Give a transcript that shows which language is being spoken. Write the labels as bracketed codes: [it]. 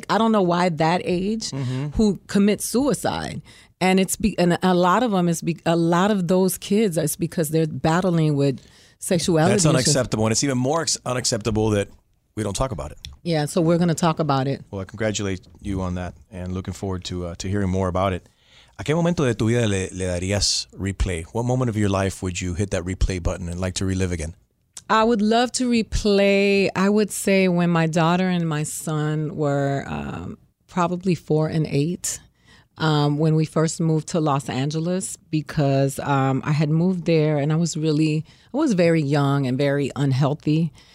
[en] Like, I don't know why that age mm-hmm. who commit suicide. And a lot of those kids is because they're battling with sexuality. That's unacceptable. And it's even more unacceptable that we don't talk about it. Yeah. So we're going to talk about it. Well, I congratulate you on that, and looking forward to hearing more about it. [es] ¿A qué momento de tu vida le darías replay? [en] What moment of your life would you hit that replay button and like to relive again? I would love to replay, I would say, when my daughter and my son were probably 4 and 8, when we first moved to Los Angeles, because I had moved there and I was very young and very unhealthy.